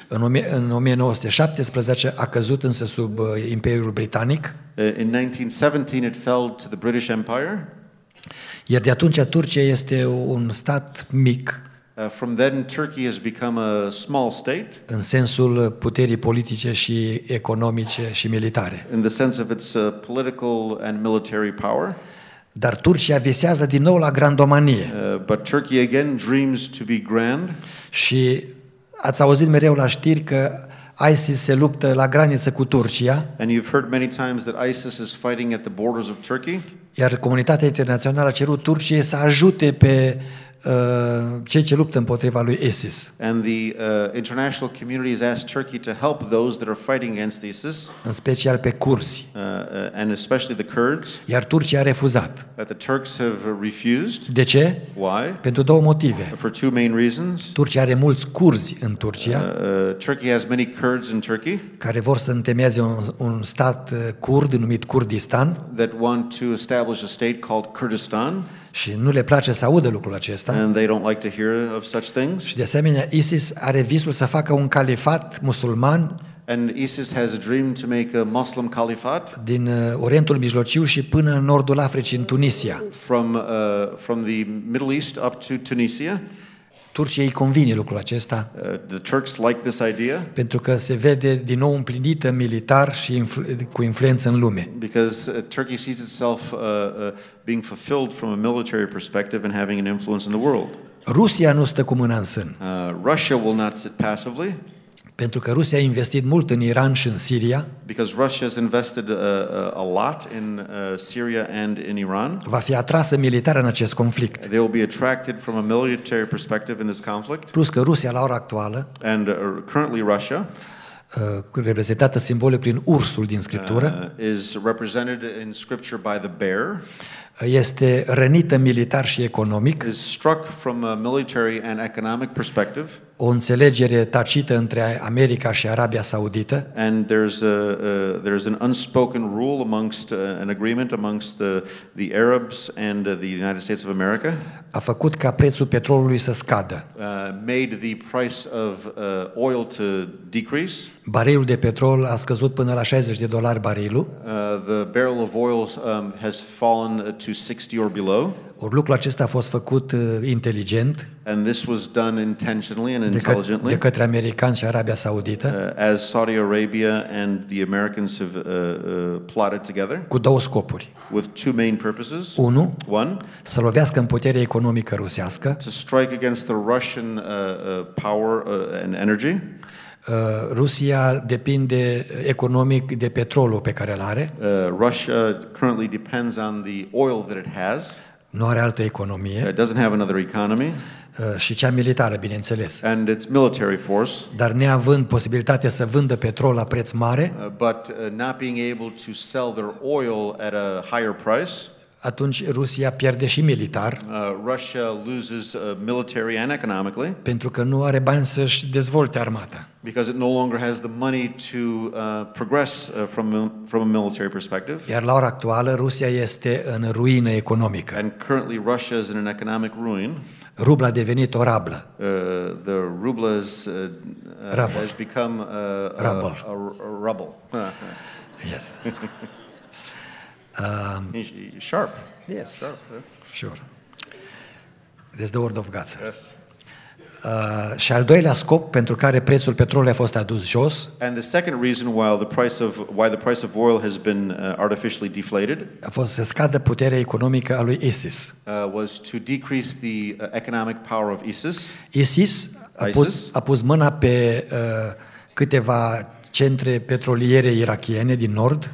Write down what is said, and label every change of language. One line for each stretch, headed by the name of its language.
Romanian: În 1917 a căzut însă sub Imperiul Britanic.
English: In 1917 it fell to the British Empire.
Romanian: Iar de atunci Turcia este un stat mic.
English: From then Turkey has become a small state.
Romanian: În sensul puterii politice și economice și militare.
English: In the sense of its political and military power.
Romanian: Dar Turcia visează din nou la grandomanie.
English: But Turkey again dreams to be grand.
Romanian: Și ați auzit mereu la știri că ISIS se luptă la graniță cu Turcia.
English: And you've heard many times that ISIS is fighting at the borders of Turkey.
Romanian: Iar comunitatea internațională a cerut Turciei să ajute pe cei ce luptă împotriva lui ISIS.
English: And the international community has asked Turkey to help those that are fighting against ISIS.
Romanian: În special pe curzi.
English: And especially the Kurds.
Romanian: Iar Turcia a refuzat.
English: But the Turks have refused.
Romanian: De ce?
English: Why?
Romanian: Pentru două motive.
English: For two main reasons.
Romanian: Turcia are mulți curzi în Turcia.
English: Turkey has many Kurds in Turkey.
Romanian: Care vor să întemeieze un stat curd numit Kurdistan.
English: That want to establish a state called Kurdistan.
Romanian: Și nu le place să audă lucrul acesta.
English: And they don't like to hear of such things.
Romanian: Și de asemenea, ISIS are visul să facă un califat musulman.
English: And ISIS has a dream to make a Muslim caliphate.
Romanian: Din Orientul Mijlociu și până în nordul Africii, în Tunisia.
English: From the Middle East up to Tunisia.
Romanian: Turciei îi convine lucrul acesta.
English: The Turks like this idea.
Romanian: Pentru că se vede din nou împlinită militar și cu influență în lume.
English: Because Turkey sees itself being fulfilled from a military perspective and having an influence in the world.
Romanian: Rusia nu stă cu mâna în sân.
English: Russia will not sit passively.
Romanian: Pentru că Rusia a investit mult în Iran și în Siria.
English: Because Russia has invested a lot in Syria and in Iran.
Romanian: Va fi atrasă militar în acest conflict.
English: They will be attracted from a military perspective in this conflict.
Romanian: Plus că Rusia la ora actuală,
English: and currently Russia,
Romanian: reprezentată simbolic prin ursul din Scriptură,
English: is represented in Scripture by the bear,
Romanian: este rănită militar și economic,
English: is struck from a military and economic perspective.
Romanian: O înțelegere tacită între America și Arabia Saudită.
English: And there's an unspoken rule amongst an agreement amongst the Arabs and the United States of America.
Romanian: A făcut ca prețul petrolului să scadă.
English: Made the price of oil to decrease.
Romanian: Barilul de petrol a scăzut până la $60 barilul.
English: The barrel of oil has fallen to 60 or below.
Romanian: Or lucrul acesta a fost făcut inteligent.
English: And this was done intentionally and intelligently.
Romanian: De către americani și Arabia Saudită.
English: As Saudi Arabia and the Americans have plotted together.
Romanian: Cu două scopuri.
English: With two main purposes.
Romanian: Unu.
English: One.
Romanian: Să lovească în puterea economică rusească.
English: To strike against the Russian power and energy.
Romanian: Rusia depinde economic de petrolul pe care îl are.
English: Russia currently depends on the oil that it has.
Romanian: Nu are altă economie.
English: It doesn't have another economy.
Romanian: Și cea militară, bineînțeles.
English: And its military force.
Romanian: Dar neavând posibilitatea să vândă petrol la preț mare,
English: but not being able to sell their oil at a higher price.
Romanian: Atunci Rusia pierde și militar.
English: Russia loses military and economically.
Romanian: Pentru că nu are bani să-și dezvolte armata.
English: Because it no longer has the money to progress from a military perspective.
Romanian: Iar la ora actuală Rusia este în ruină economică.
English: And currently Russia is in an economic ruin.
Romanian: Rubla a devenit o rablă.
English: The ruble has become a rubble. Yes. Sharp. Yes. Sharp. Sure. That's the word of God. Yes.
Romanian: Și al doilea scop pentru care prețul petrolului a fost adus jos.
English: And the second reason why the price of oil has been artificially deflated.
Romanian: A fost să scadă puterea economică a lui ISIS.
English: Was to decrease the economic power of ISIS.
Romanian: ISIS a pus mâna pe câteva centre petroliere irakiene din nord.